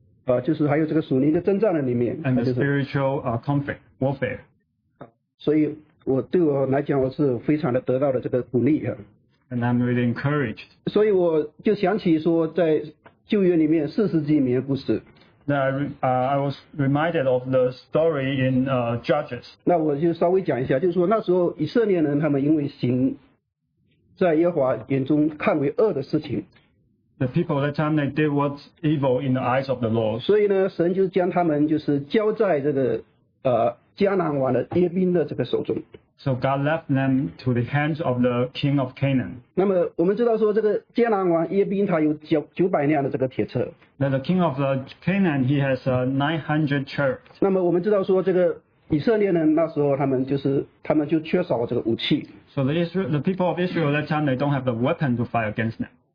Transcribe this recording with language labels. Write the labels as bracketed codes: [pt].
[zh] 所以就说，就是还有这个属灵的征战的里面， [en] and the spiritual conflict warfare. [zh] 所以我对我来讲，我是非常的得到的这个鼓励啊。 [en] And I'm really encouraged. [zh] 所以我就想起说，在旧约里面四十几年故事。 [en] I was reminded of the story in Judges. [zh] 那我就稍微讲一下，就是说那时候以色列人他们因为行 [en] The people at that time they did what's evil in the eyes of the Lord. [zh] 所以呢，神就将他们就是交在这个迦南王的耶宾的这个手中。 [en] So God left them to the hands of the king of Canaan. [zh] 那么我们知道说这个迦南王耶宾他有九百辆的这个铁车。 [en] Now the king of Canaan he has 900 chariots. [zh] 那么我们知道说这个 以色列人那时候他们就缺少这个武器。 [en] So the people of Israel at that time they don't have the weapon to fight against them.